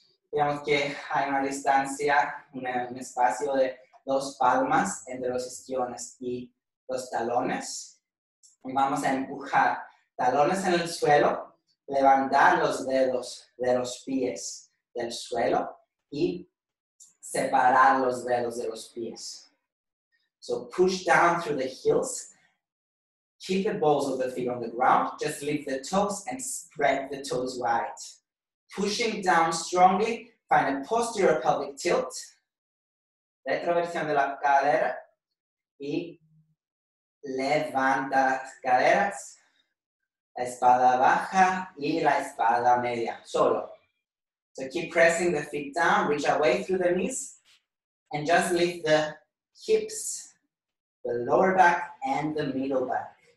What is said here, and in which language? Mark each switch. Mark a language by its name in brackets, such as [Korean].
[Spanish] Digamos que hay una distancia, un espacio de 2 palmas entre los isquiones y los talones. Y vamos a empujar talones en el suelo, levantar los dedos de los pies del suelo y separar los dedos de los pies. [English] So push down through the heels, keep the balls of the feet on the ground, just lift the toes and spread the toes wide. Pushing down strongly, find a posterior pelvic tilt. [Spanish] Retroversión de la cadera y levanta las caderas, la espalda baja y la espalda media, solo. [English] So keep pressing the feet down, reach away through the knees and just lift the hips, the lower back and the middle back.